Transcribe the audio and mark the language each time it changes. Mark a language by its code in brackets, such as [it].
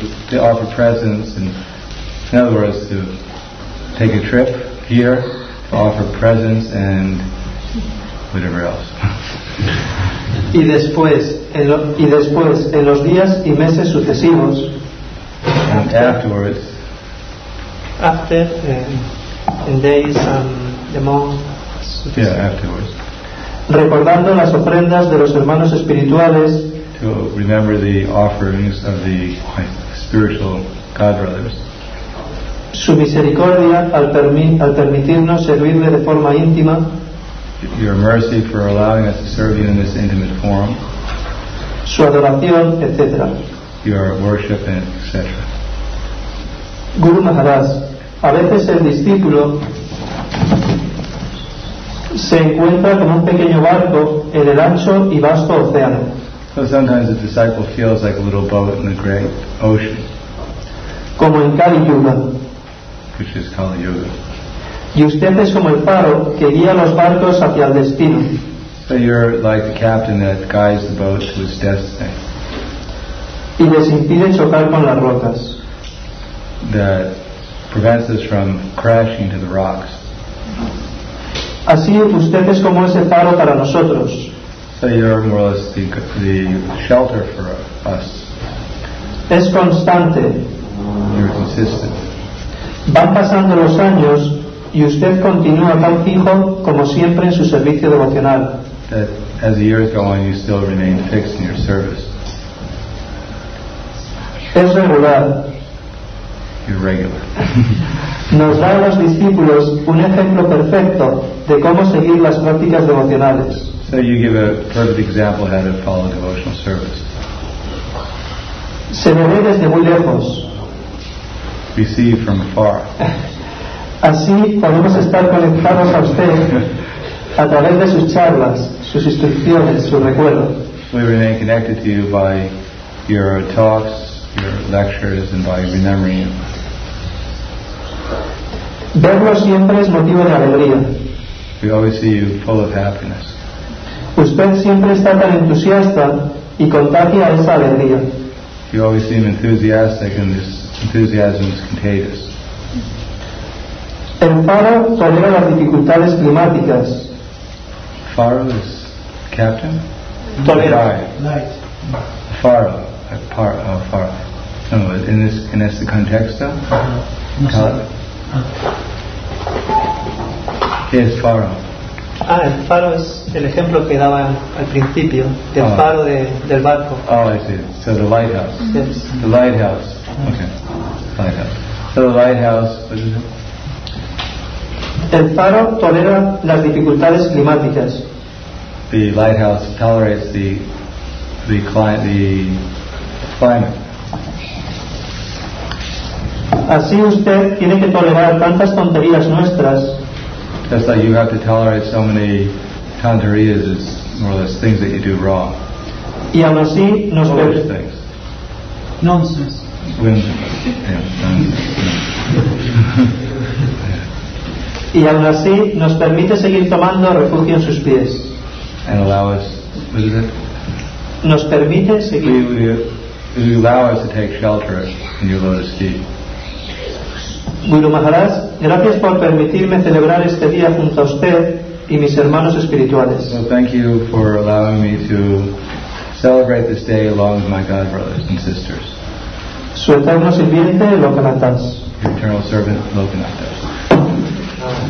[en] They offer presents, and in other words, to take a trip here, to offer presents, and whatever else. [es] Y después, en los días y meses sucesivos. [en] And afterwards. After, in days and the month. Yeah, afterwards. [es] Recordando las ofrendas de los hermanos espirituales. [en] To remember the offerings of the spiritual God brothers. [es] Su misericordia al permitirnos servirle de forma íntima. [en] Your mercy for allowing us to serve you in this intimate form. [es] Su adoración, etc. [en] Your worship, etc. [es] Guru Maharaj, a veces el discípulo se encuentra con un pequeño barco en el ancho y vasto océano. [en] So sometimes a disciple feels like a little boat in the great ocean. [es] Como en Kali Yuga. [en] Which is Kali Yuga. [es] Y usted es como el faro que guía los barcos hacia el destino. [en] So you're like the captain that guides the boat to its destiny. [es] Y les impide chocar con las rocas. [en] That prevents us from crashing to the rocks. [es] Así usted es como ese faro para nosotros. [en] So you're more or less the shelter for us. [es] Es constante. [en] You're consistent. [es] Van pasando los años y usted continúa tan fijo como siempre en su servicio devocional. [en] That as the years go on, you still remain fixed in your service. [es] Es regular. [en] You're regular. [es] Nos da a los discípulos un ejemplo perfecto de cómo seguir las prácticas devocionales. [en] So you give a perfect example how to follow devotional service. [es] Se me ve desde muy lejos. [en] We see you from afar. [es] Así podemos estar conectados a usted a través de sus charlas, sus instrucciones, su recuerdo. [en] We remain connected to you by your talks, your lectures, and by remembering you. [es] Verlo siempre es motivo de alegría. [en] We always see you full of happiness. [es] Usted siempre está tan entusiasta y contagia esa alegría. [en] You always seem enthusiastic and this enthusiasm is contagious. [es] El faro tolera las dificultades climáticas. [en] Faro is captain? [es] Tolera. [en] Light. Faro. Faro. In this context, Yes, faro. [es] Ah, el faro es el ejemplo que daba al principio del faro de, del barco. [en] Oh, I see. So the lighthouse. Mm-hmm. Yes. The lighthouse. Okay. Lighthouse. So the lighthouse. What is it? [es] El faro tolera las dificultades climáticas. [en] The lighthouse tolerates the climate. [es] Así usted tiene que tolerar tantas tonterías nuestras. [en] That's like you have to tolerate so many tonterías. It's more or less things that you do wrong. [es] Y aún así nos [en] ve. Foolish things. Nonsense. When, yeah, [es] y aún así nos permite seguir tomando refugio en sus pies. [en] And allow us. What is it? [es] Nos permite seguir. [en] We allow us to take shelter in your lotus feet. [es] Guru Maharaj, gracias por permitirme celebrar este día junto a usted y mis hermanos espirituales. [en] So thank you for allowing me to celebrate this day along with my God brothers and sisters. [es] Su eterno sirviente, Lokanathas. [en] Your eternal servant, Lokanathas.